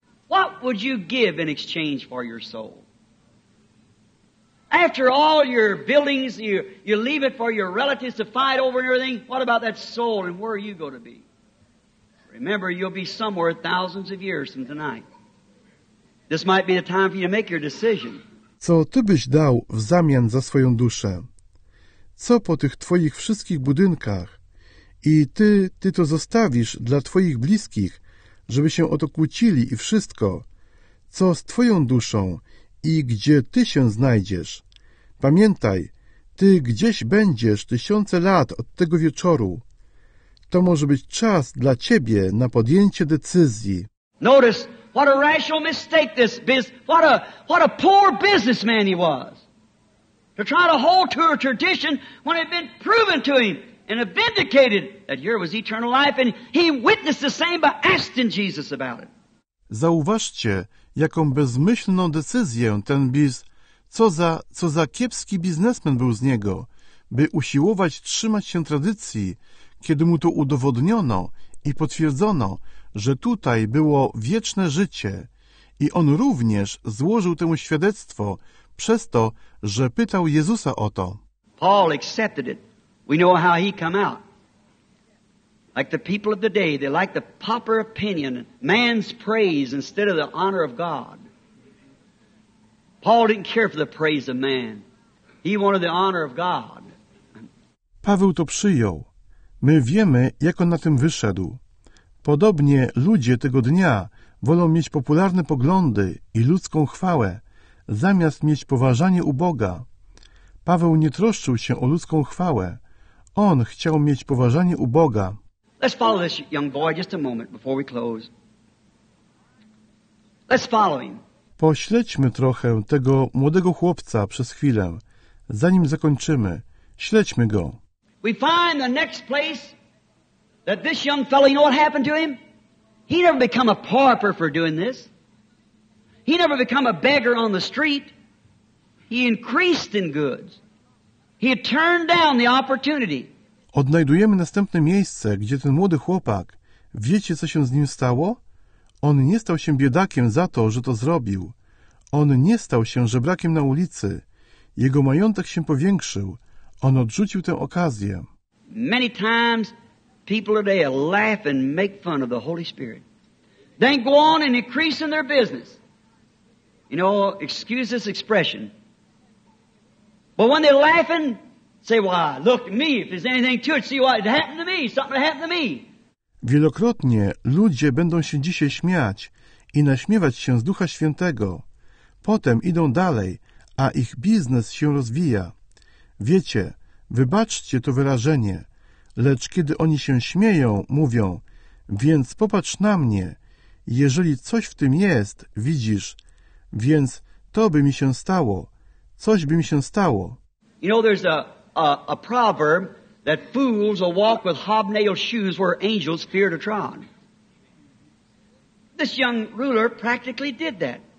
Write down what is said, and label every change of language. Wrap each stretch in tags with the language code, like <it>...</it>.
<en>What would you give in exchange for your soul? After all your buildings, you leave it for your relatives to fight over and everything. What about that soul and where are you going to be? Remember, you'll be somewhere thousands of years from tonight. This might be the time for you to make your decision.</en> <pl>Co ty byś dał w zamian za swoją duszę? Co po tych twoich wszystkich budynkach? I ty to zostawisz dla twoich bliskich, żeby się o to kłócili i wszystko. Co z twoją duszą i gdzie ty się znajdziesz? Pamiętaj, ty gdzieś będziesz tysiące lat od tego wieczoru. To może być czas dla ciebie na podjęcie decyzji.</pl> <en>Notice what a rational mistake this is. What a poor businessman he was. To try to hold to a tradition when it had been proven to him. And it vindicated that here was eternal life, and he witnessed the same by asking Jesus about it.</en> <pl>Zauważcie, jaką bezmyślną decyzję ten biz, co za kiepski biznesmen był z niego, by usiłować trzymać się tradycji, kiedy mu to udowodniono i potwierdzono, że tutaj było wieczne życie. I on również złożył temu świadectwo przez to, że pytał Jezusa o to.</pl> <en>Paul accepted it. We know how he come out. Like the people of the day, they like the pauper opinion, man's praise instead of the honor of God. Paul didn't care for the praise of man. He wanted the honor of God.</en> <pl>Paweł to przyjął. My wiemy, jak on na tym wyszedł. Podobnie ludzie tego dnia wolą mieć popularne poglądy i ludzką chwałę, zamiast mieć poważanie u Boga. Paweł nie troszczył się o ludzką chwałę. On chciał mieć poważanie u Boga.</pl> <en>Let's follow this young boy just a moment before we close. Let's follow him.</en> <pl>Pośledźmy trochę tego młodego chłopca przez chwilę, zanim zakończymy. Śledźmy go.</pl> <en>We find the next place that this young fellow, you know what happened to him? He never become a pauper for doing this. He never become a beggar on the street. He increased in goods. He had turned down the opportunity.</en> <pl>Odnajdujemy następne miejsce, gdzie ten młody chłopak, wiecie, co się z nim stało? On nie stał się biedakiem za to, że to zrobił. On nie stał się żebrakiem na ulicy. Jego majątek się powiększył. On odrzucił tę okazję.</pl> <en>Many times people today laugh and make fun of the Holy Spirit. They go on and increase in their business. You know, excuse this expression. But when they're laughing, say, why, look at me, if there's anything to it, see what happened to me, something happened to me.</en> <pl>Wielokrotnie ludzie będą się dzisiaj śmiać i naśmiewać się z Ducha Świętego. Potem idą dalej, a ich biznes się rozwija. Wiecie, wybaczcie to wyrażenie, lecz kiedy oni się śmieją, mówią, więc popatrz na mnie, jeżeli coś w tym jest, widzisz, więc to by mi się stało. Coś by mi się stało.</pl> <en>You know, there's a proverb that fools will walk with hobnailed shoes where angels fear to trod. This young ruler practically did that.</en>